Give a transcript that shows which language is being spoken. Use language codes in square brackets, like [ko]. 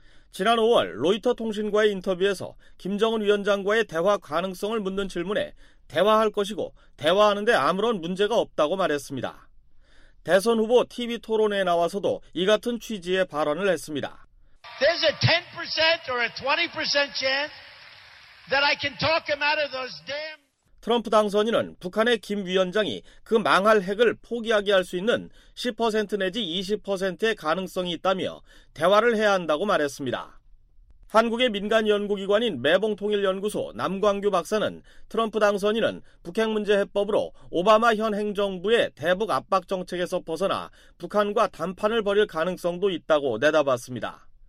[ko] 지난 5월 로이터 통신과의 인터뷰에서 김정은 위원장과의 대화 가능성을 묻는 질문에 대화할 것이고 대화하는데 아무런 문제가 없다고 말했습니다. 대선 후보 TV 토론회에 나와서도 이 같은 취지의 발언을 했습니다. [en] There's a 10% or a 20% chance. That I can talk him out of those damn... [ko] 트럼프 당선인은 북한의 김 위원장이 그 망할 핵을 포기하게 할 수 있는 10% 내지 20%의 가능성이 있다며 대화를 해야 한다고 말했습니다. 한국의 민간연구기관인 매봉통일연구소 남광규 박사는 트럼프 당선인은 북핵문제해법으로 오바마 현 행정부의 대북 압박 정책에서 벗어나 북한과 담판을 벌일 가능성도 있다고 내다봤습니다.